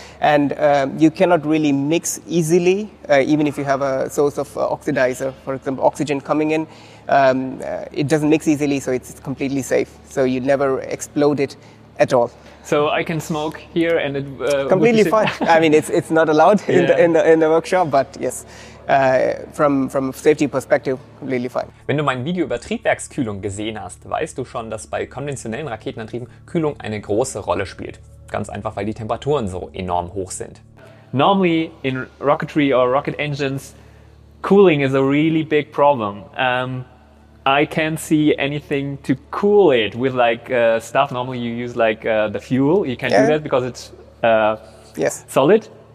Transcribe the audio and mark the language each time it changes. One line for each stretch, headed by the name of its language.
English: And you cannot really mix easily, even if you have a source of oxidizer, for example, oxygen coming in. It doesn't mix easily, so it's completely safe. So you never explode it at all. So I can smoke here and it... completely fine. I mean, it's not allowed yeah. in the workshop, but yes. From a safety perspective, completely fine.
German: Wenn du mein Video über Triebwerkskühlung gesehen hast, weißt du schon, dass bei konventionellen Raketenantrieben Kühlung eine große Rolle spielt. Ganz einfach, weil die Temperaturen so enorm hoch sind.
English: Normally in rocketry or rocket engines, cooling is a really big problem. I can't see anything to cool it with like stuff. Normally you use like the fuel. You can't do that because it's yes. solid.